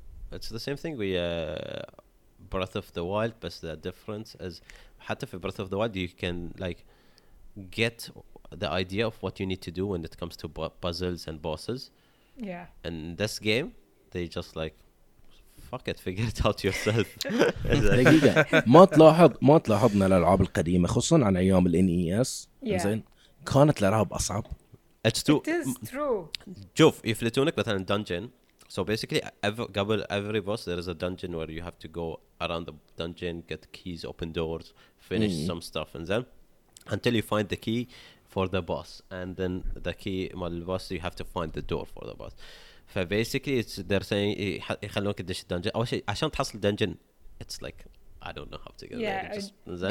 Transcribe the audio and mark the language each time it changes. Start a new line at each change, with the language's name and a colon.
English: It's the same thing with Breath of the Wild, but the difference is,
Arabic: حتى في
English: Breath of the Wild, you can like get the idea of what you need to do when it comes to puzzles and bosses. Yeah. And this game, they just like, fuck it, figure it out yourself.
Arabic: دقيقة، ما تلاحظنا الألعاب القديمة خصوصا عن أيام الـ NES زين كانت الألعاب أصعب.
English: It is true.
Arabic: شوف يفلتونك مثلا dungeon.
English: So basically
Arabic: قبل
English: every boss there is a dungeon where you have to go around the dungeon, get keys, open doors, finish some stuff and then until you find the key for the boss, and then the key
Arabic: مال الباص
English: you have to find the door for the boss. ف basically it's they're saying
Arabic: يخلونك تدش الدنجن أول شيء عشان تحصل دنجن
English: it's like I don't know how to get there.